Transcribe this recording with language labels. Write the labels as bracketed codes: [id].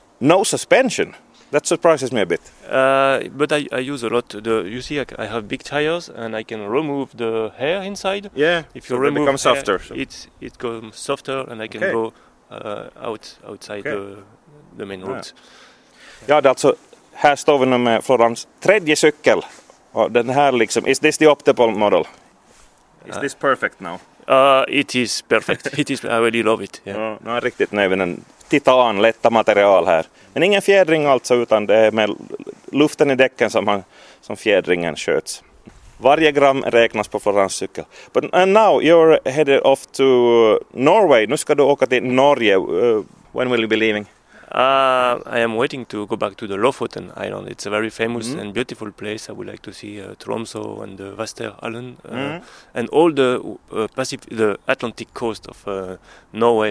[en] No suspension? That surprises me a bit. But I use a lot. You see, I have big tires and I can remove the hair inside. Yeah, if you remove it becomes softer. Hair, so. It becomes softer and I can go outside the main route. [sv] Ja, det är alltså här står vi nu med Florans tredje cykel. Och den här liksom, [en] is this the optimal model? Is this perfect now? It is perfect. It is, I really love it. Yeah. [sv] Nu är riktigt nöjd med titan, lätta material här. Men ingen fjädring alltså, utan det är med luften i däcken som fjädringen sköts. Varje gram räknas på Florans cykel. [en] But, and now you're headed off to Norway. [sv] Nu ska du åka till Norge. [en] When will you be leaving? I am waiting to go back to the Lofoten Island. It's a very famous and beautiful place. I would like to see Tromsø and the Vesterålen and all the the Atlantic coast of Norway.